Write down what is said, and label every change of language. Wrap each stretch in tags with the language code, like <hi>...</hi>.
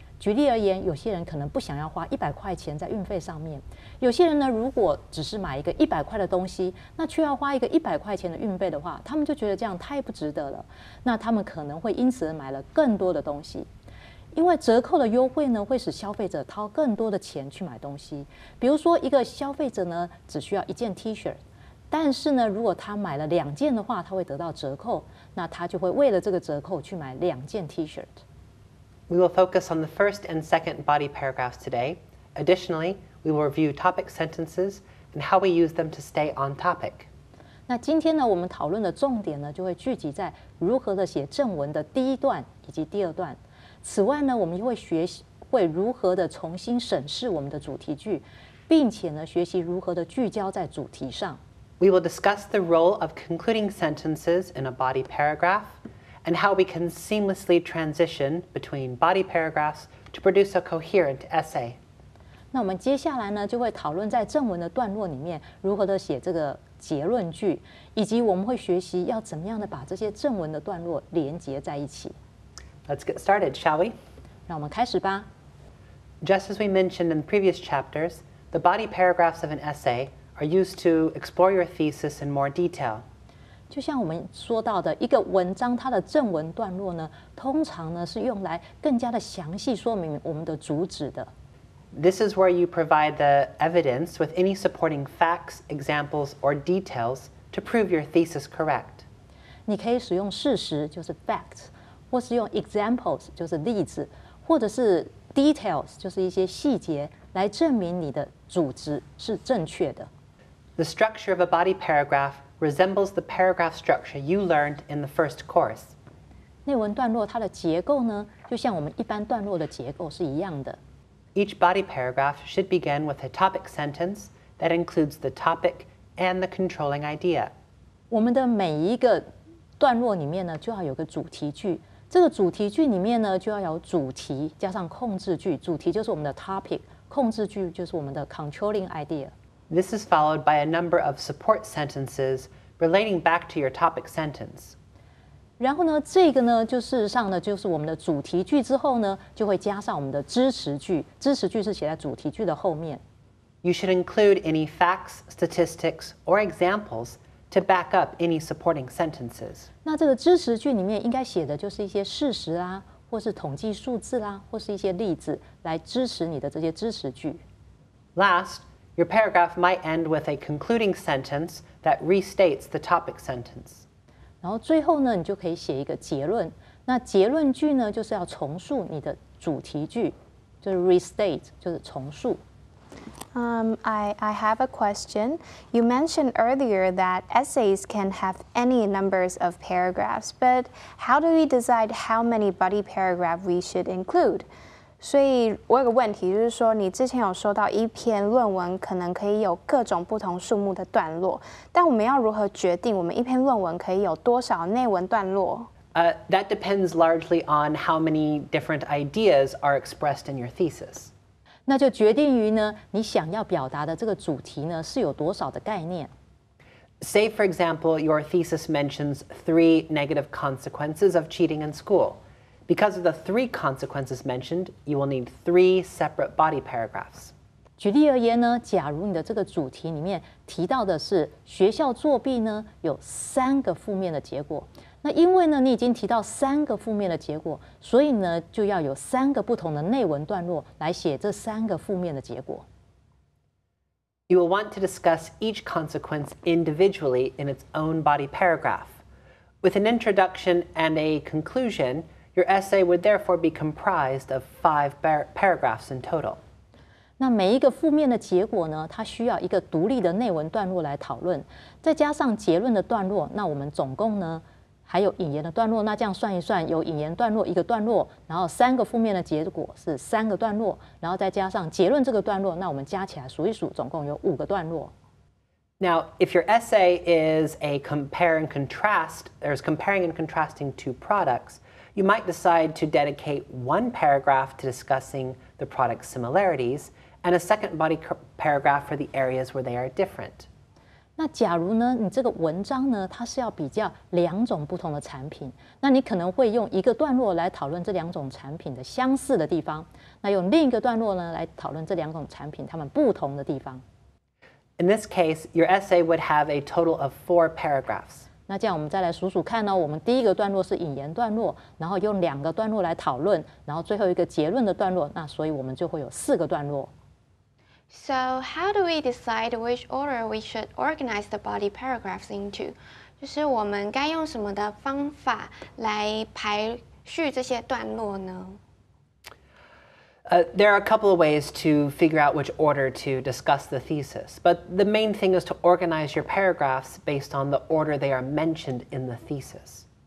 <zh>举例而言，有些人可能不想要花100块钱在运费上面，有些人呢，如果只是买一个100块的东西，那却要花一个100块钱的运费的话，他们就觉得这样太不值得了，那他们可能会因此买了更多的东西。因为折扣的优惠呢，会使消费者掏更多的钱去买东西。比如说一个消费者呢，只需要一件 T 恤，但是呢，如果他买了两件的话，他会得到折扣，那他就会为了这个折扣去买两件 T 恤。</zh> <en>We will focus on the first and second body paragraphs today. Additionally, we will review topic sentences and how we use them to stay on topic.</en> <zh>那今天呢，我们讨论的重点呢，就会聚集在如何的写正文的第一段以及第二段。此外呢，我们又会学习会如何的重新审视我们的主题句，并且呢，学习如何的聚焦在主题上。</zh> <en>We will discuss the role of concluding sentences in a body paragraph. And how we can seamlessly transition between body paragraphs to produce a coherent essay.</en> <zh>那我们接下来呢，就会讨论在正文的段落里面如何的写这个结论句，以及我们会学习要怎么样的把这些正文的段落连接在一起。</zh> <en>Let's get started, shall we?</en> <zh>让我们开始吧。</zh> <en>Just as we mentioned in previous chapters, the body paragraphs of an essay are used to explore your thesis in more detail.</en> <zh>就像我们说到的，一个文章它的正文段落呢，通常呢是用来更加的详细说明我们的主旨的。</zh> <en>This is where you provide the evidence with any supporting facts, examples, or details to prove your thesis correct.</en> <zh>你可以使用事实，就是 facts, 或是用 examples, 就是例子，或者是 details, 就是一些细节，来证明你的主旨是正确的。</zh> <en>The structure of a body paragraph. Resembles the paragraph structure you learned in the first course.</en> <zh>内文段落它的结构呢，就像我们一般段落的结构是一样的。</zh> <en>Each body paragraph should begin with a topic sentence that includes the topic and the controlling idea.</en> <zh>我们的每一个段落里面呢，就要有个主题句。这个主题句里面呢，就要有主题加上控制句。主题就是我们的 topic， 控制句就是我们的 controlling idea。</zh> <en>This is followed by a number of support sentences relating back to your topic sentence.</en> <zh>然后呢，这个呢，就事实上呢，就是我们的主题句之后呢，就会加上我们的支持句。支持句是写在主题句的后面。</zh> <en>You should include any facts, statistics, or examples to back up any supporting sentences.</en> <zh>那这个支持句里面应该写的就是一些事实啊，或是统计数字啊，或是一些例子来支持你的这些支持句。</zh> <en>Last. Your paragraph might end with a concluding sentence that restates the topic sentence.</en> <zh>然后最后呢，你就可以写一个结论。那结论句呢，就是要重述你的主题句，就是 restate, 就是重述。</zh> <en>I have a question. You mentioned earlier that essays can have any numbers of paragraphs, but how do we decide how many body paragraphs we should include?</en> <zh>所以我有个问题，就是说你之前有说到一篇论文可能可以有各种不同数目的段落，但我们要如何决定我们一篇论文可以有多少内文段落？</zh> <en>That depends largely on how many different ideas are expressed in your thesis.</en> <zh>那就决定于呢，你想要表达的这个主题呢，是有多少的概念。</zh> <en>Say, for example, your thesis mentions 3 negative consequences of cheating in school. Because of the 3 consequences mentioned, you will need 3 separate body paragraphs.</en> <zh>举例而言呢，假如你的这个主题里面提到的是学校作弊呢，有三个负面的结果。那因为呢，你已经提到三个负面的结果，所以呢，就要有三个不同的内文段落来写这三个负面的结果。</zh> <en>You will want to discuss each consequence individually in its own body paragraph. With an introduction and a conclusion, your essay would therefore be comprised of 5 paragraphs in total.</en> <zh>那每一个负面的结果呢，它需要一个独立的内文段落来讨论，再加上结论的段落，那我们总共呢还有引言的段落，那这样算一算，有引言段落一个段落，然后三个负面的结果是三个段落，然后再加上结论这个段落，那我们加起来数一数，总共有5个段落。</zh> <en>Now, if your essay is a compare and contrast, there's comparing and contrasting 2 products, you might decide to dedicate 1 paragraph to discussing the product similarities and a second body paragraph for the areas where they are different.</en> <zh>那假如呢，你这个文章呢，它是要比较两种不同的产品，那你可能会用一个段落来讨论这两种产品的相似的地方，那用另一个段落呢来讨论这两种产品它们不同的地方。</zh> <en>In this case, your essay would have a total of 4 paragraphs.</en> <zh>那这样我们再来数数看呢，我们第一个段落是引言段落，然后用两个段落来讨论，然后最后一个结论的段落，那所以我们就会有4个段落。</zh> <en>So, how do we decide which order we should organize the body paragraphs into?</en> <zh>就是我们该用什么的方法来排序这些段落呢？</zh> <en>There are a couple of ways to figure out which order to discuss the thesis, but the main thing is to organize your paragraphs based on the order they are mentioned in the thesis.</en>